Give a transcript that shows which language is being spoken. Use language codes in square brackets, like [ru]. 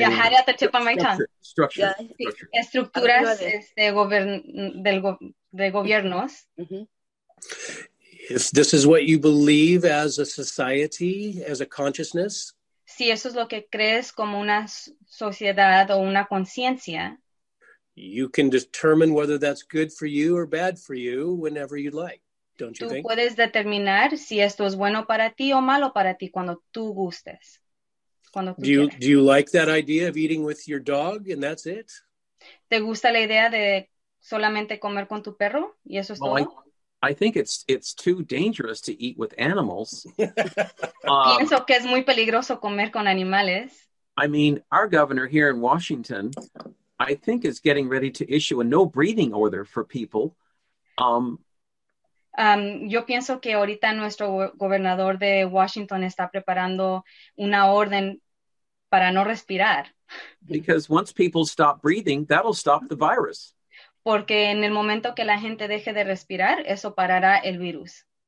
[en] Yeah, I had it at the tip of my structure, tongue. Structure. Yeah. [es] Sí. Estructuras de gobiernos. [en] If this is what you believe as a society, as a consciousness, [es] si eso es lo que crees como una sociedad o una conciencia, [en] you can determine whether that's good for you or bad for you whenever you'd like, don't you think? [es] Tú puedes determinar si esto es bueno para ti o malo para ti cuando tú gustes. Cuando tú quieras. [en] Do you like that idea of eating with your dog and that's it? [es] ¿Te gusta la idea de solamente comer con tu perro y eso es todo? [en] I think it's too dangerous to eat with animals. [es] Pienso que es muy peligroso comer con animales. [en] I mean, our governor here in Washington, I think is getting ready to issue a no breathing order for people. [es] Yo pienso que ahorita nuestro gobernador de Washington está preparando una orden para no respirar. [en] Because once people stop breathing, that'll stop the virus. [es] Porque en el momento que la gente deje de respirar, eso parará el virus.